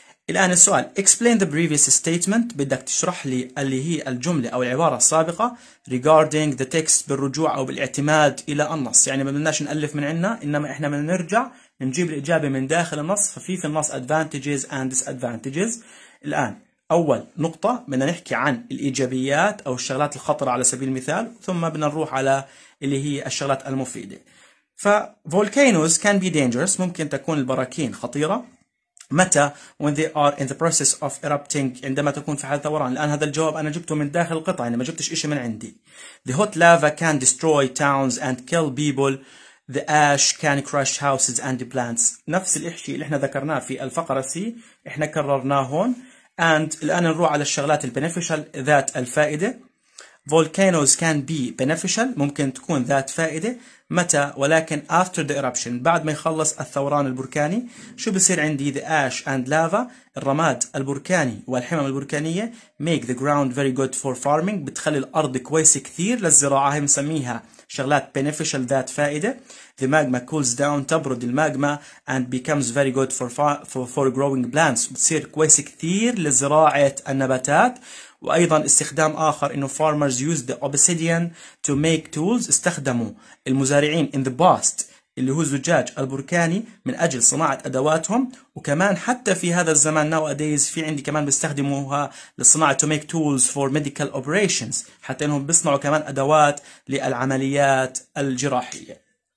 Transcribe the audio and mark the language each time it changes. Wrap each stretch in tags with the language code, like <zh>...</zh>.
<ar>الآن السؤال,</ar> <en>explain the previous statement,</en> <ar>بدك تشرح لي اللي هي الجملة أو العبارة السابقة</ar> <en>regarding the text,</en> <ar>بالرجوع أو بالاعتماد إلى النص, يعني ما بدناش نألف من عنا, إنما إحنا بدنا نرجع نجيب الإجابة من داخل النص, ففي في النص</ar> <en>advantages and disadvantages.</en> <ar>الآن أول نقطة بدنا نحكي عن الإيجابيات أو الشغلات الخطرة على سبيل المثال, ثم بدنا نروح على اللي هي الشغلات المفيدة.</ar> <en>ف volcanoes can be dangerous.</en> <ar>ممكن تكون البراكين خطيرة.</ar> <en>متى؟ When they are in the process of erupting.</en> <ar>عندما تكون في حال ثوران. الآن هذا الجواب أنا جبته من داخل القطعة. أنا ما جبتش إشي من عندي.</ar> <en>The hot lava can destroy towns and kill people. The ash can crush houses and plants.</en> <ar>نفس الإشي اللي إحنا ذكرناه في الفقرة C. إحنا كررناه هون. And الآن نروح على الشغلات البنفيشال ذات الفائدة.</ar> <en>Volcanoes can be beneficial.</en> <ar>ممكن تكون ذات فائدة.</ar> <en>متى؟ ولكن after the eruption.</en> <ar>بعد ما يخلص الثوران البركاني.</ar> <en>شو بصير عندي؟ The ash and lava.</en> <ar>الرماد البركاني والحمم البركانية.</ar> <en>Make the ground very good for farming.</en> <ar>بتخلي الأرض كويس كثير للزراعة. هي مسميها شغلات beneficial ذات فائدة.</ar> <en>The magma cools down.</en> <ar>تبرد الماجما.</ar> <en>And becomes very good for growing plants.</en> <ar>بتصير كويس كثير لزراعة النباتات. وأيضا استخدام آخر إنه</ar> <en>farmers use the obsidian to make tools.</en> <ar>استخدموا المزارعين</ar> <en>in the past</en> <ar>اللي هو زجاج البركاني من أجل صناعة أدواتهم. وكمان حتى في هذا الزمان nowadays في عندي كمان بيستخدموها للصناعة</ar> <en>to make tools for medical operations.</en> <ar>حتى إنهم بيصنعوا كمان أدوات للعمليات الجراحية.</ar>